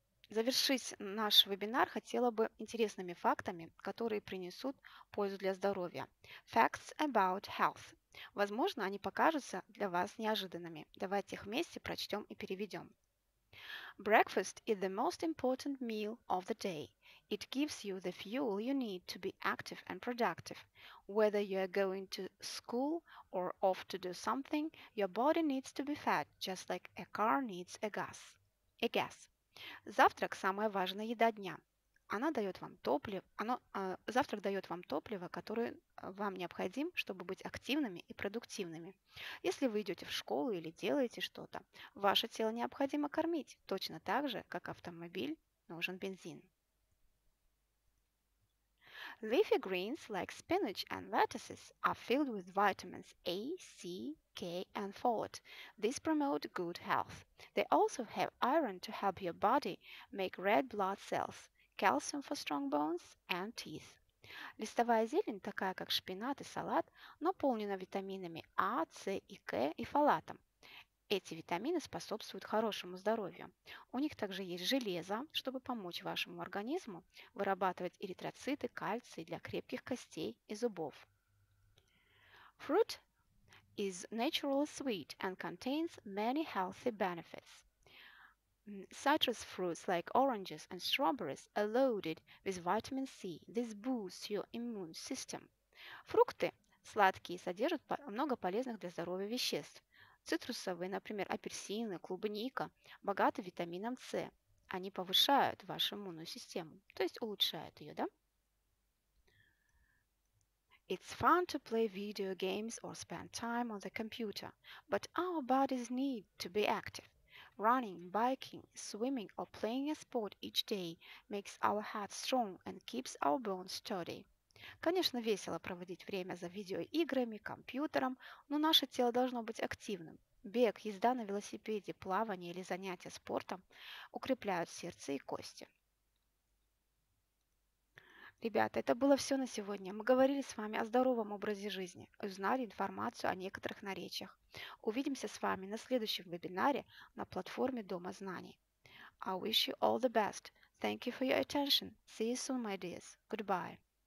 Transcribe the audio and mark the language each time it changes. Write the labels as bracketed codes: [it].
[ru] Завершить наш вебинар хотела бы интересными фактами, которые принесут пользу для здоровья. [en] Facts about health. [ru] Возможно, они покажутся для вас неожиданными. Давайте их вместе прочтем и переведем. [en] Breakfast is the most important meal of the day. It gives you the fuel you need to be active and productive. Whether you are going to school or off to do something, your body needs to be fed, just like a car needs a gas. [ru] Завтрак – самая важная еда дня. Завтрак дает вам топливо, которое вам необходимо, чтобы быть активными и продуктивными. Если вы идете в школу или делаете что-то, ваше тело необходимо кормить, точно так же, как автомобиль нужен бензин. [en] Leafy greens like spinach and lettuces are filled with vitamins A, C, K and folate. These promote good health. They also have iron to help your body make red blood cells, calcium for strong bones and teeth. [ru] Листовая зелень, такая как шпинат и салат, наполнена витаминами А, С, И, К и фолатом. Эти витамины способствуют хорошему здоровью. У них также есть железо, чтобы помочь вашему организму вырабатывать эритроциты, кальций для крепких костей и зубов. [en] Fruit is naturally sweet and contains many healthy benefits. Citrus fruits like oranges and strawberries are loaded with vitamin C. This boosts your immune system. [ru] Фрукты сладкие содержат много полезных для здоровья веществ. Цитрусовые, например, апельсины, клубника, богаты витамином С. Они повышают вашу иммунную систему, то есть улучшают ее, да? [en] It's fun to play video games or spend time on the computer, but our bodies need to be active. Running, biking, swimming or playing a sport each day makes our heart strong and keeps our bones sturdy. [ru] Конечно, весело проводить время за видеоиграми, компьютером, но наше тело должно быть активным. Бег, езда на велосипеде, плавание или занятия спортом укрепляют сердце и кости. Ребята, это было все на сегодня. Мы говорили с вами о здоровом образе жизни, узнали информацию о некоторых наречиях. Увидимся с вами на следующем вебинаре на платформе Дома Знаний. [en] I wish you all the best. Thank you for your attention. See you soon, my dears. Goodbye.